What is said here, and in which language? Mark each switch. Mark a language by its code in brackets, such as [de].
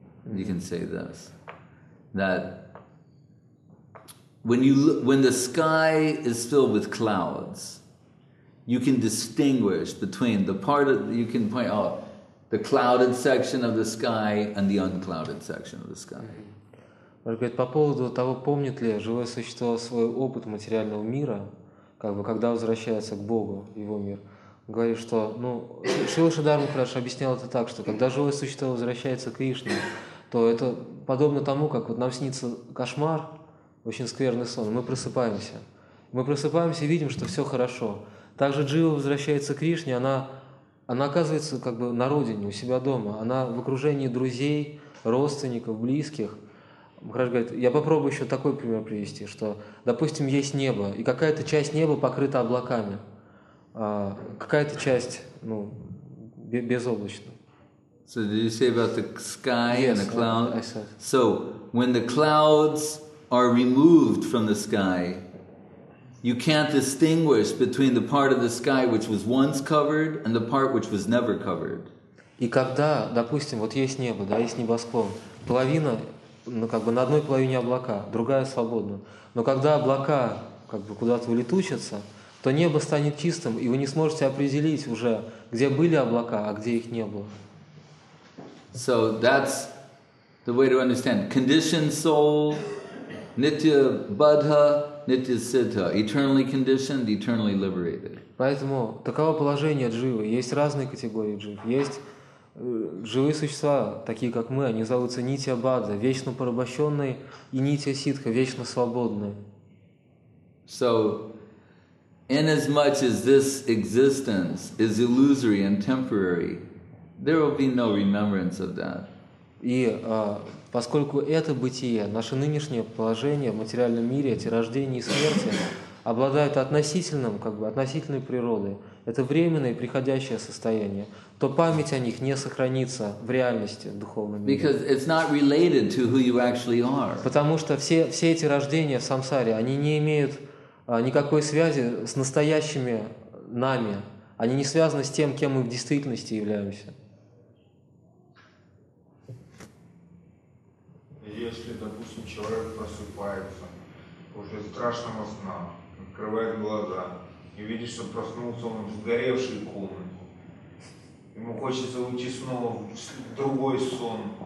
[en] You can say this, that when the sky is filled with clouds, you can distinguish between the part of, you can point out the clouded section of the sky and the unclouded section of the sky. [ru] Он говорит по поводу того, помнит ли живое существо свой опыт материального мира, как бы когда возвращается к Богу его мир. Говорит, что, ну, Шрила Шридхар Махарадж объяснял это так, что когда живое существо возвращается к Кришне, то это подобно тому, как вот нам снится кошмар, очень скверный сон, мы просыпаемся. Мы просыпаемся и видим, что все хорошо. Также Джива возвращается к Кришне, она оказывается как бы на родине, у себя дома. Она в окружении друзей, родственников, близких. Махарадж говорит, я попробую еще такой пример привести, что, допустим, есть небо, и какая-то часть неба покрыта облаками, а какая-то часть, ну, безоблачна. [en] So did you say about the sky yes, and the cloud? I said. So when the clouds are removed from the sky, you can't distinguish between the part of the sky which was once covered and the part which was never covered. [ru] И когда, допустим, вот есть небо, да, есть небосклон, половина, ну как бы на одной половине облака, другая свободна. Но когда облака как бы куда-то улетучатся, то небо станет чистым, и вы не сможете определить уже, где были облака, а где их не было. [en] So that's the way to understand. Conditioned soul, nitya buddha, nitya siddha. Eternally conditioned, eternally liberated. [ru] Поэтому таково положение дживы. Есть разные категории джив. Есть живые существа, такие как мы, они зовутся нитья бадха, вечно порабощенные, и нитья сиддха, вечно свободные. [en] So, inasmuch as this existence is illusory and temporary, there will be no remembrance of that. [ru] И поскольку это бытие, наше нынешнее положение в материальном мире, эти рождения и смерти, обладают относительным, как бы, относительной природой, это временное и приходящее состояние, то память о них не сохранится в реальности, в духовном мире. [en] Because it's not related to who you actually are. [ru] Потому что все эти рождения в самсаре, они не имеют никакой связи с настоящими нами. Они не связаны с тем, кем мы в действительности являемся. Если, допустим, человек просыпается после страшного сна, открывает глаза и видит, что проснулся он в сгоревшей комнате, ему хочется уйти снова в другой сон.